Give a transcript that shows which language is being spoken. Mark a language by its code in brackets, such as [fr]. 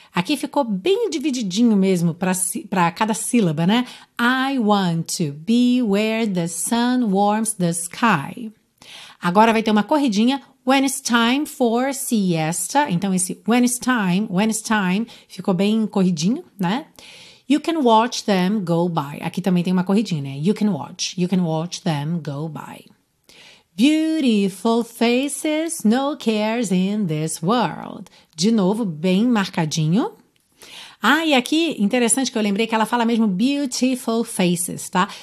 [pt] Aqui ficou bem divididinho mesmo para cada sílaba, né? [en] I want to be where the sun warms the sky. [pt] Agora vai ter uma corridinha. [en] When it's time for siesta. [pt] Então esse when it's time, ficou bem corridinho, né? [en] You can watch them go by. [pt] Aqui também tem uma corridinha, né? [en] You can watch them go by. Beautiful faces, no cares in this world. [pt] De novo, bem marcadinho. Ah, e aqui, interessante que eu lembrei que ela fala mesmo [en] beautiful faces, [pt] tá?